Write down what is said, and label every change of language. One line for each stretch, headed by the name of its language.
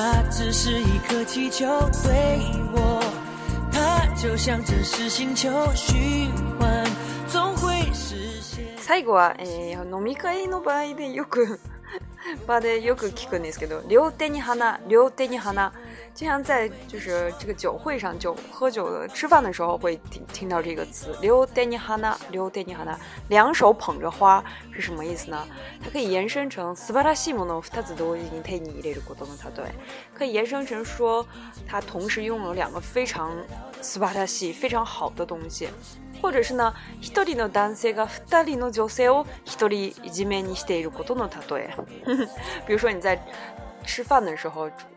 Chinese: 只是一颗气球，对我，它就像真实星球，循环总会实现。
Japanese: 最後は、飲み会の場合でよく場でよく聞くんですけど、両手に花、両手に花。
Chinese: 就像在就是这个酒会上，酒喝酒的吃饭的时候会听到这个词，
Japanese: 両手に花，両手に花，
Chinese: 两手捧着花是什么意思呢？它可以延伸成
Japanese: 素晴らしいものを二つ同時に手に入れることの例え，
Chinese: 可以延伸成说他同时拥有两个非常
Japanese: 素晴らしい
Chinese: 非常好的东西，或者是呢
Japanese: 一人の男性が二人の女性を一人占めにしていることの例え，
Chinese: 比如说你在吃饭的时候。